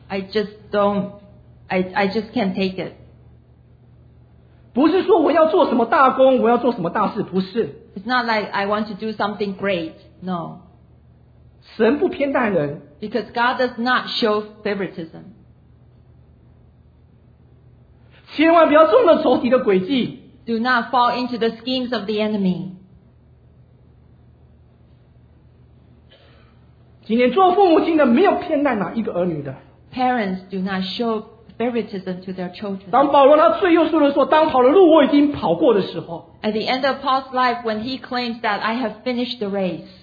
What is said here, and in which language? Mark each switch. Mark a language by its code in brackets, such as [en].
[zh] 我就是不甘心。 [en] I just can't take it. [zh] 不是说我要做什么大功，我要做什么大事，不是。 [en] It's not like I want to do something great, no. [zh] 神不偏待人。 [en] Because God does not show favoritism. [zh] 千万不要中了仇敌的诡计。 [en] Do not fall into the schemes of the enemy. [zh] 今天做父母亲的没有偏待哪一个儿女的。 [en] Parents do not show favoritism to their children. [zh] 当保罗他最后说的时候，当跑的路我已经跑过的时候。 [en] At the end of Paul's life, when he claims that I have finished the race.